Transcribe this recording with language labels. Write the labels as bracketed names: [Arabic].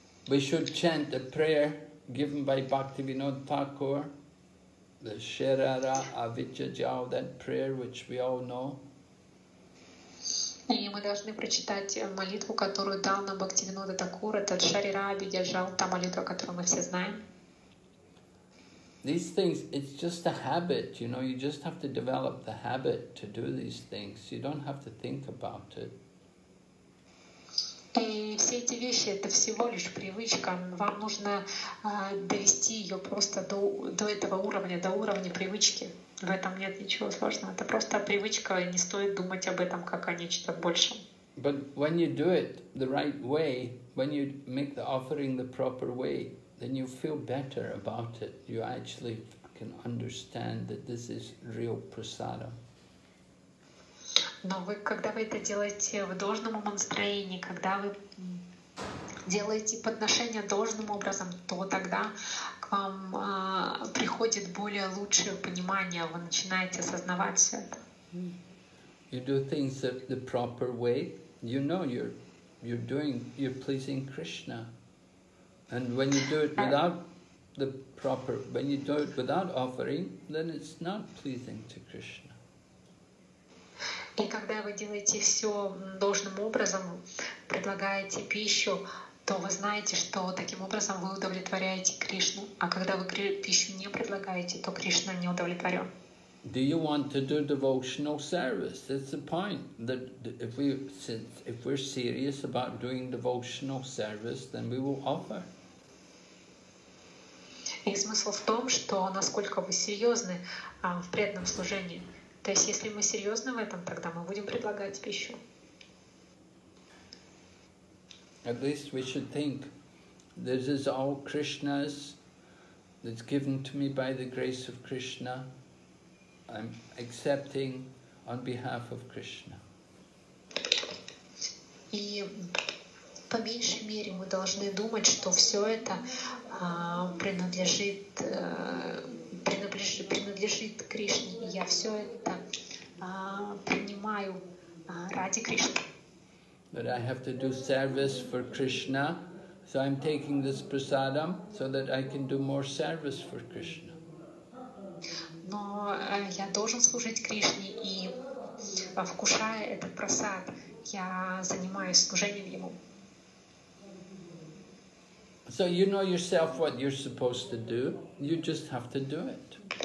[English] We should chant a prayer given by Bhaktivinoda Thakur, the Sharara Avijja Jao, that prayer which we all know. [Russian] И мы должны прочитать молитву, которую дал нам Бхактивинода Такур, этот Шарира Абидья Джал, та молитва, которую мы все знаем. [English] These things, it's just a habit, you know, you just have to develop the habit to do these things. You don't have to think about it. [Russian] И все эти вещи, это всего лишь привычка. Вам нужно довести ее просто до этого уровня, до уровня привычки. В этом нет ничего сложного. Это просто привычка, и не стоит думать об этом как о нечто большем. [English] But when you do it the right way, when you make the offering the proper way, then you feel better about it. You actually can understand that this is real prasadam. [Russian] Но вы, когда вы это делаете в должном настроении, когда вы делаете подношение должным образом, то тогда к вам приходит более лучшее понимание, вы начинаете осознавать все это. [English] You do things the proper way. You know you're pleasing Krishna. And when you do it without the proper, when you do it without offering, then it's not pleasing to Krishna. [Russian] И когда вы делаете все должным образом, предлагаете пищу, то вы знаете, что таким образом вы удовлетворяете Кришну. А когда вы пищу не предлагаете, то Кришна не удовлетворен. [English] Do you want to do devotional service? That's the point. That if we're serious about doing devotional service, then we will offer. [Russian] И смысл в том, что насколько вы серьезны в преданном служении. То есть, если мы серьезны в этом, тогда мы будем предлагать пищу. [English] At least we should think, this is all Krishna's, that's given to me by the grace of Krishna. I'm accepting on behalf of Krishna. [Russian] И по меньшей мере мы должны думать, что все это принадлежит Кришне. Я все это принимаю ради Кришны. [English] That I have to do service for Krishna, so I'm taking this prasadam so that I can do more service for Krishna. [Russian] Но я должен служить Кришне, и вкушая этот прасад, я занимаюсь служением ему. [English] So you know yourself what you're supposed to do, you just have to do it.